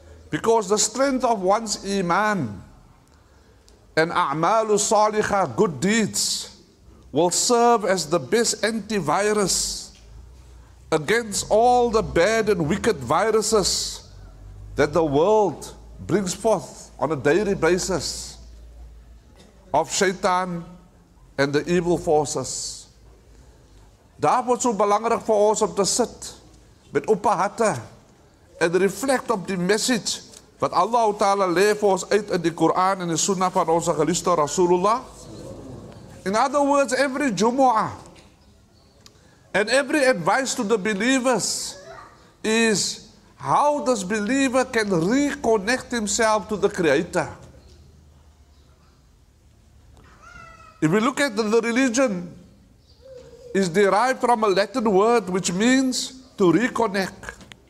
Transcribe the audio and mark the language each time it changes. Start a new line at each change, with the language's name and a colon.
English: Because the strength of one's Iman and a'malu saliha, good deeds, will serve as the best antivirus against all the bad and wicked viruses that the world brings forth on a daily basis of Shaitan and the evil forces.
Dutch: Daarom is het zo belangrijk voor ons om te zitten met open harten en reflect op die message wat Allah Ta'ala leert voor ons uit in de Koran en de Sunnah van onze geliefde Rasulullah.
English: In other words, every Jumu'ah and every advice to the believers is how this believer can reconnect himself to the Creator. If we look at the religion, is derived from a Latin word which means to reconnect.